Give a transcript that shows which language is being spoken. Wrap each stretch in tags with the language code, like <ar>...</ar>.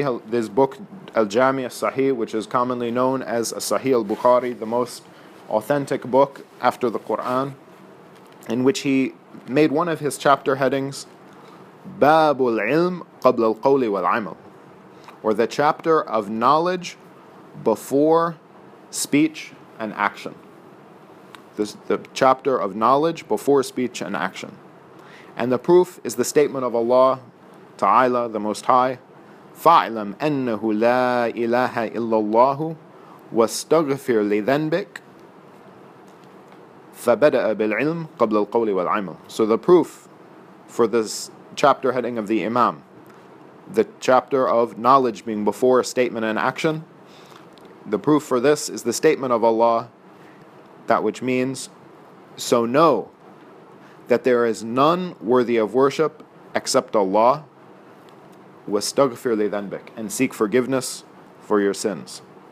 <en>this book, Al-Jami' al-Sahih, which is commonly known as Sahih al-Bukhari, the most authentic book after the Quran, in which he made one of his chapter headings,</en> <ar>باب العلم قبل القول والعمل,</ar> <en>or the chapter of knowledge before speech and action. the chapter of knowledge before speech and action. And the proof is the statement of Allah Ta'ala, the Most High,</en> <ar>فَعْلَمْ أَنَّهُ لَا إِلَهَ إِلَّا اللَّهُ وَاسْتَغْفِرْ لِذَنْبِكَ فَبَدَأَ بِالْعِلْمِ قَبْلَ الْقَوْلِ وَالْعَمَلِ.</ar> <en>So the proof for this chapter heading of the Imam, the chapter of knowledge being before statement and action, the proof for this is the statement of Allah, that which means, so know that there is none worthy of worship except Allah,</en> <ar>وَاسْتَغْفِرْ لِذَنْبِكَ,</ar> <en>and seek forgiveness for your sins.</en>